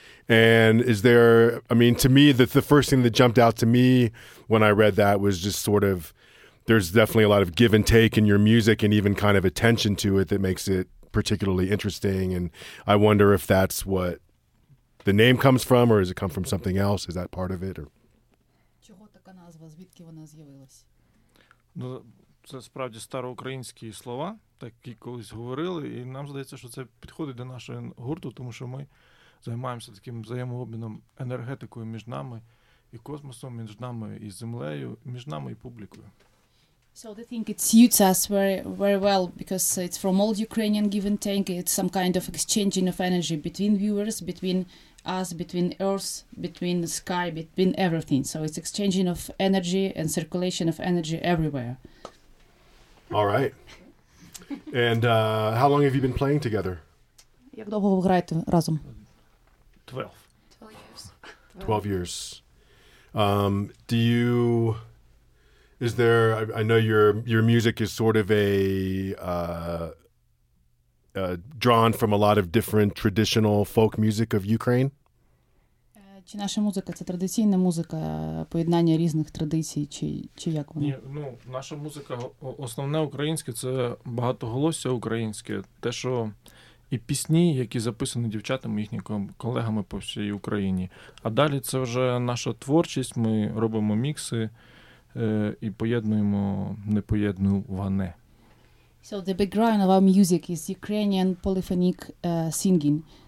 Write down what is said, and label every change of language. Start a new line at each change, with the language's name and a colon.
English: And is there, I mean, to me, the first thing that jumped out to me when I read that was just sort of, there's definitely a lot of give and take in your music and even kind of attention to it that makes it particularly interesting. And I wonder if that's what the name comes from, or does it come from something else? Is that part of it? Or?
Ukrainian: Чого така назва? Звідки вона з'явилась? Ну, це справді староукраїнські слова, такі колись говорили, і нам здається, що це підходить до нашого гурту, тому що ми займаємося таким взаємообміном енергетикою між нами і космосом, між нами і землею, між нами і публікою.
English: So they think it suits us very, very well because it's from old Ukrainian give and take. It's some kind of exchanging of energy between viewers, between us, between earth, between the sky, between everything. So it's exchanging of energy and circulation of energy everywhere. All right. And how long have you been playing together?
Ukrainian: Як довго ви граєте разом?
English: 12 years. 12 years. Do you? Is there? I know your music is sort of a drawn from a lot of different traditional folk music of Ukraine.
Ukrainian: Чи наша музика це традиційна музика, поєднання різних традицій, чи як вона? Ні, ну наша музика основне українське, це багатоголосся українське, те що. І пісні, які записані дівчатами, їхніми колегами по всій Україні. А далі це вже наша творчість, ми робимо мікси і поєднуємо непоєднуване.
English: So the background of our music is Ukrainian polyphonic singing.